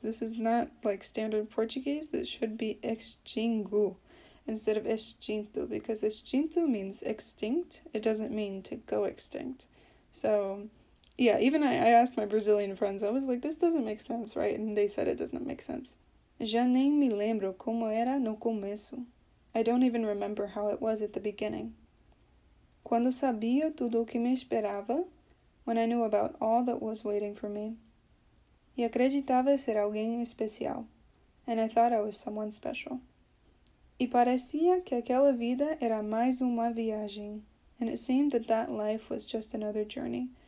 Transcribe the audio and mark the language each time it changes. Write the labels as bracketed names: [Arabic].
[English] This is not like standard Portuguese. This should be extingo instead of extinto, because extinto means extinct. It doesn't mean to go extinct. So yeah, even I asked my Brazilian friends. I was like, this doesn't make sense, right? And they said it doesn't make sense. [Portuguese] Já nem me lembro como era no começo. [English] I don't even remember how it was at the beginning. [Portuguese] Quando sabia tudo o que me esperava, [English] when I knew about all that was waiting for me, [Portuguese] e acreditava ser alguém especial, [English] and I thought I was someone special. [Portuguese] E parecia que aquela vida era mais uma viagem, [English] and it seemed that that life was just another journey.